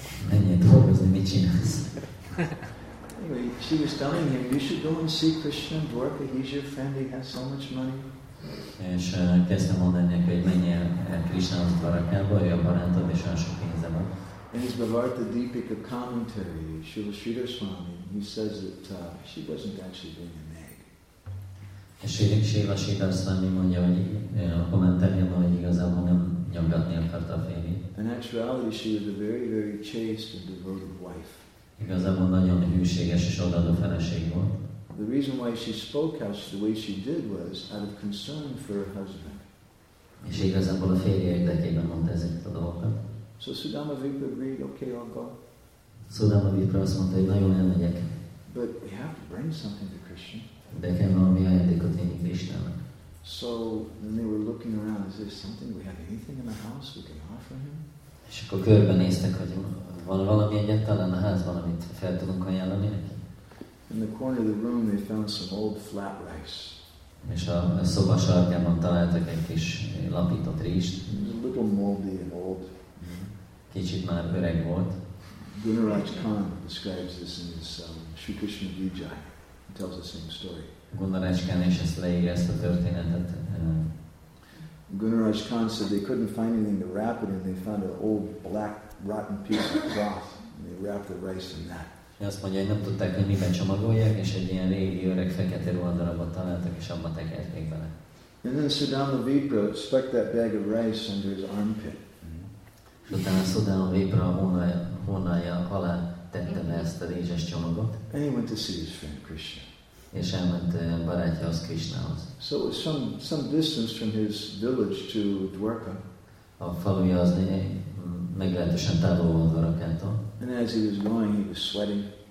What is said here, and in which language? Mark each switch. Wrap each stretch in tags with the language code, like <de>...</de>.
<hu>Menjél dolgozni, mit csinálsz?</hu> <en>Anyway, she was telling him, you should go and see Krishna and Dwarka. He's your friend. He has so much money.</en> <hu>És kezdte mondani, hogy menjél Krishnához Dwarkába, ő a barátod, és olyan sok pénze van.</hu> <en>In his Bhavartha Deepika commentary, Srila Sridhar Swami, he says that she wasn't actually doing a nag.</en> <hu>És Srila Sridhar Swami mondja, hogy a kommentárjában, hogy igazából nem nyomgatni akarta a férjét.</hu> <en>In actuality, she was a very, very chaste and devoted wife.</en> <hu>Igazából nagyon hűséges és odaadó feleség volt.</hu> <en>The reason why she spoke out the way she did was out of concern for her husband.</en> <hu>És igazából a férje érdekében mondta ezeket a dolgokat.</hu> <en>So Sudama Vipra agreed, okay, I'll go.</en> <hu>Sudama Vipra azt mondta, hogy nagyon elmegyek.</hu> <en>But we have to bring something to Krishna.</en> <hu>De kell valami ajándékot vinni Krishnának.</hu> <en>So then they were looking around, is there something, we have anything in the house we can offer him?</en> <hu>És akkor körbenéztek, hogy van valami egyáltalán a házban, amit fel tudunk ajánlani neki?</hu> <en>In the corner of the room they found some old flat rice.</en> <hu>És a szoba sarkában találtak egy kis lapított rizst.</hu> <en>A little moldy and old.</en> <hu>Kicsit már öreg volt.</hu> <en>Gunaraj Khan describes this in his Shri Krishna Vijay. He tells the same story.</en> <hu>Gunaraj Khan is ezt leírja, ezt a történetet.</hu> <en>Gunaraj Khan said they couldn't find anything to wrap it in. They found an old black rotten piece of cloth and they wrapped the rice in that.</en> <hu>Azt mondja, hogy nem tudták, hogy miben csomagolják, és egy ilyen régi, öreg, fekete ruhadarabot találtak, és abba tekerték bele.</hu> <en>And then Sudama Vipra stuck that bag of rice under his armpit.</en> <hu>És utána Sudama Vipra a hónalja alá tette le ezt a rizses csomagot.</hu> <en>And he went to see his friend Krishna.</en> <hu>És elment barátjához, Krishnához.</hu> <en>So it was some distance from his village to Dwarka.</en> <hu>A faluja az meglehetősen távol volt Dwarkától.</hu> <en>And as he was going, he was sweating.</en>